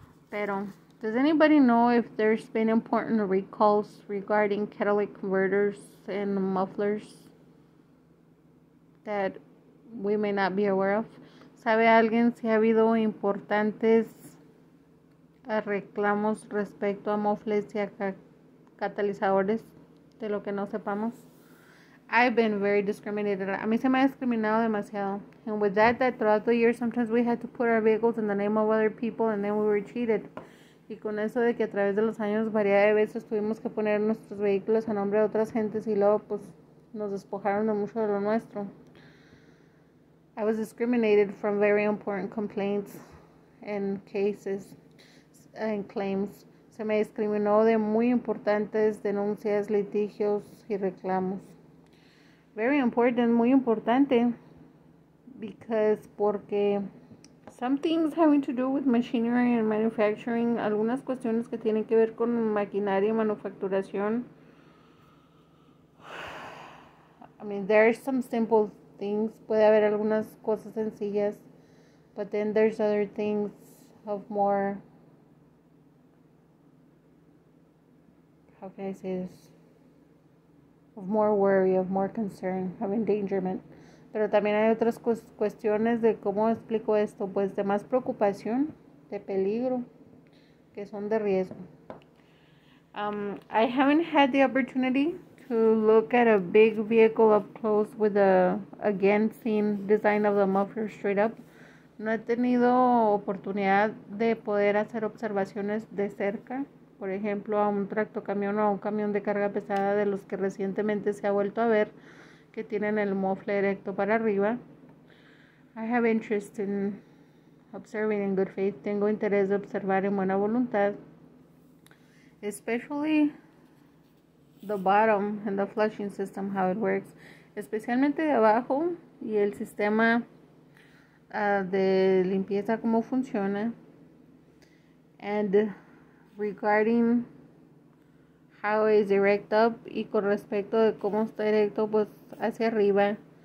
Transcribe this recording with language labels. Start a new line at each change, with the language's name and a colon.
Spanish: Pero,
English: does anybody know if there's been important recalls regarding catalytic converters and mufflers that we may not be aware of?
Spanish: ¿Sabe alguien si ha habido importantes reclamos respecto a mufflers y a catalizadores de lo que no sepamos?
English: I've been very discriminated.
Spanish: A mí se me ha discriminado demasiado.
English: And with that throughout the years, sometimes we had to put our vehicles in the name of other people and then we were cheated.
Spanish: Y con eso de que a través de los años, variedad de veces tuvimos que poner nuestros vehículos a nombre de otras gentes y luego pues nos despojaron de mucho de lo nuestro.
English: I was discriminated from very important complaints and cases and claims.
Spanish: Se me discriminó de muy importantes denuncias, litigios y reclamos.
English: Very important,
Spanish: muy importante.
English: Because,
Spanish: porque
English: some things having to do with machinery and manufacturing,
Spanish: algunas cuestiones que tienen que ver con maquinaria y manufacturación.
English: I mean, there are some simple things.
Spanish: Puede haber algunas cosas sencillas.
English: But then there's other things of more, how can I say this? Of more worry, of more concern, of endangerment.
Spanish: Pero también hay otras cuestiones de cómo explico esto, pues de más preocupación, de peligro, que son de riesgo.
English: I haven't had the opportunity to look at a big vehicle up close with a, again, seen design of the muffler straight up.
Spanish: No he tenido oportunidad de poder hacer observaciones de cerca, por ejemplo, a un tractocamión o a un camión de carga pesada de los que recientemente se ha vuelto a ver que tienen el mofle erecto para arriba.
English: I have interest in observing in good faith.
Spanish: Tengo interés de observar en buena voluntad.
English: Especially the bottom and the flushing system, how it works.
Spanish: Especialmente de abajo y el sistema de limpieza, cómo funciona.
English: And regarding how is erect up
Spanish: y con respecto de cómo está erecto, pues hacia arriba.